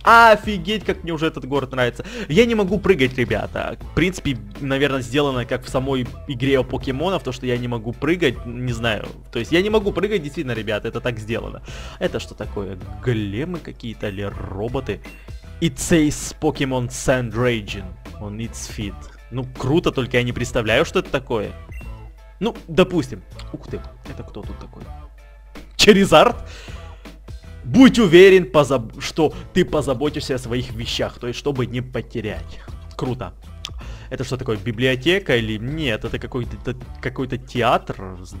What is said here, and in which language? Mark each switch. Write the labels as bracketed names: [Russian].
[Russian] Офигеть, как мне уже этот город нравится. Я не могу прыгать, ребята. В принципе, наверное, сделано как в самой игре о покемонов. То, что я не могу прыгать, не знаю. То есть я не могу прыгать, действительно, ребята, это так сделано. Это что такое? Големы какие-то или роботы? [English] It says Pokemon Sand Raging on its feet. [Russian] Ну, круто, только я не представляю, что это такое. Ну, допустим. Ух ты, это кто тут такой? Черизард? Будь уверен, что ты позаботишься о своих вещах, то есть, чтобы не потерять. Круто. Это что такое, библиотека или... Нет, это какой-то театр.